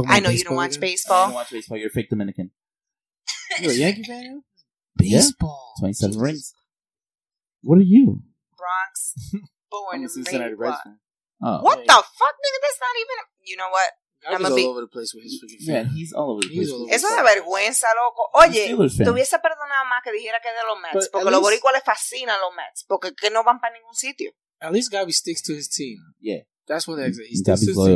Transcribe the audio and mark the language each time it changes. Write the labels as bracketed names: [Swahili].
[English] I know you don't watch baseball. You don't watch baseball. You're a fake Dominican. You're a Yankee fan? Baseball. Yeah. 27 Jesus. Rings. What are you? Bronx. Born in Cincinnati Reds fan. Oh. What the fuck, nigga? That's not even... You know what? He's all over the place with his freaking fan. He's all over the place. [Spanish] Eso es vergüenza, loco. Oye, te hubiese perdonado más que dijera que de los Mets. Porque los boricuas le fascinan los Mets. Porque que no van para ningún sitio. [English] At least Gabby sticks to his team. Yeah. That's what they say. He sticks to his loyal.